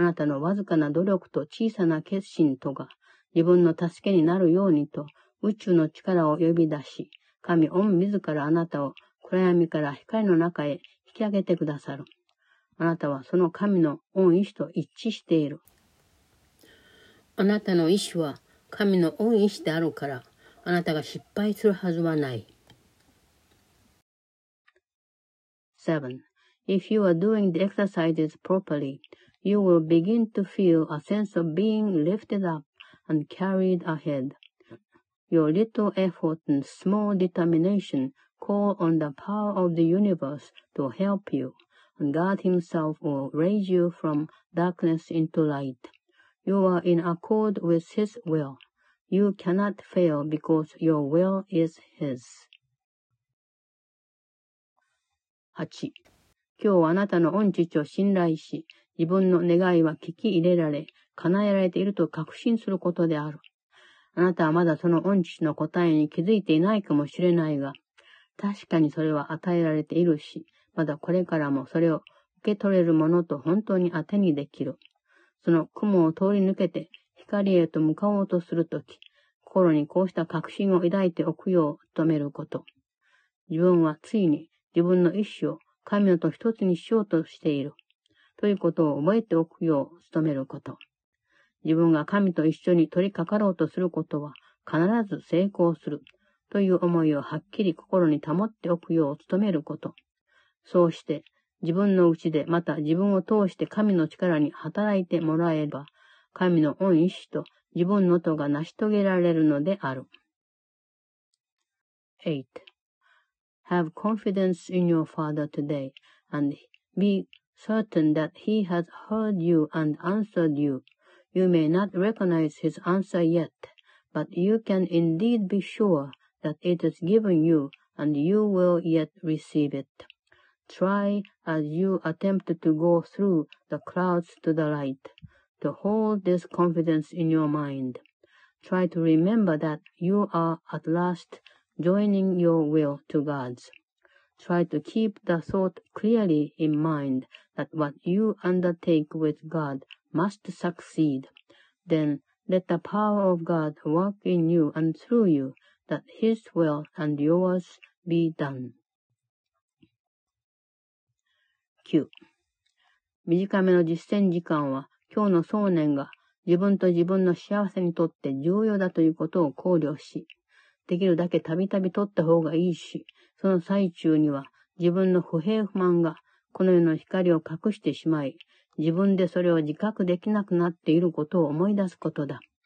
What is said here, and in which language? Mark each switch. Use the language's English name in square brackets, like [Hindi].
[Japanese] あなたのわずかな努力と小さな決心とが、自分の助けになるようにと、宇宙の力を呼び出し、神御自らあなたを暗闇から光の中へ引き上げてくださる。あなたはその神の御意志と一致している。あなたの意志は神の御意志であるから、あなたが失敗するはずはない。 [English] 7. If you are doing the exercises properly, you will begin to feel a sense of being lifted up and carried ahead. Your little effort and small determination call on the power of the universe to help you. And God himself will raise you from darkness into light. You are in accord with his will. You cannot fail because your will is his. [Japanese] 8. 今日はあなたの御父を信頼し、自分の願いは聞き入れられ、叶えられていると確信することである。あなたはまだその御父の答えに気づいていないかもしれないが、確かにそれは与えられているし、まだこれからもそれを受け取れるものと本当に当てにできる。その雲を通り抜けて光へと向かおうとするとき、心にこうした確信を抱いておくよう努めること。自分はついに自分の意志を神のと一つにしようとしている。ということを覚えておくよう努めること。自分が神と一緒に取り掛かろうとすることは必ず成功する。という思いをはっきり心に保っておくよう努めること。そうして、自分のうちでまた自分を通して神の力に働いてもらえば、神の御意志と自分の都が成し遂げられるのである。 [English] 8. Have confidence in your father today, and be certain that he has heard you and answered you. You may not recognize his answer yet, but you can indeed be sure that it is given you, and you will yet receive it. Try, as you attempt to go through the clouds to the light, to hold this confidence in your mind. Try to remember that you are at last joining your will to God's. Try to keep the thought clearly in mind that what you undertake with God must succeed. Then let the power of God work in you and through you, that His will and yours be done. [Japanese] 9. 短めの実践時間は、今日の想念が自分と自分の幸せにとって重要だということを考慮し、できるだけたびたび取った方がいいし、その最中には自分の不平不満がこの世の光を隠してしまい、自分でそれを自覚できなくなっていることを思い出すことだ。